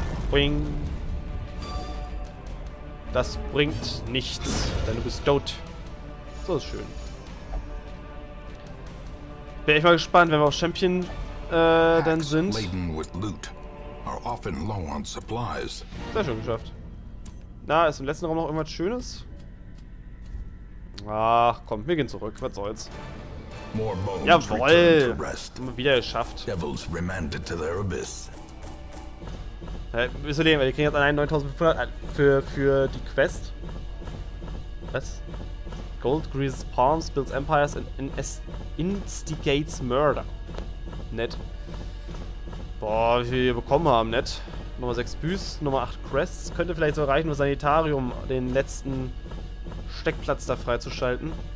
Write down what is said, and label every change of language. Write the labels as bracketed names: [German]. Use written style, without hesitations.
[German] Wing. Das bringt nichts, denn du bist tot. So ist schön. Bin ich mal gespannt, wenn wir auf Champion dann sind. [English] Laden with loot are often low on supplies. [German] Sehr schön geschafft. Na, ist im letzten Raum noch irgendwas Schönes? Ach komm, wir gehen zurück. Was soll's? Jawoll! Haben wir wieder geschafft. [English] Devils remanded to their abyss. [German] Wieso denn? Wir kriegen jetzt allein 9500 für die Quest. Was? [English] Gold Grease Palms builds empires and instigates murder. [German] Nett. Boah, wie viel wir hier bekommen haben, nett. Nummer 6 Büß, Nummer 8 Crests. Könnte vielleicht so reichen, um Sanitarium den letzten Steckplatz da freizuschalten.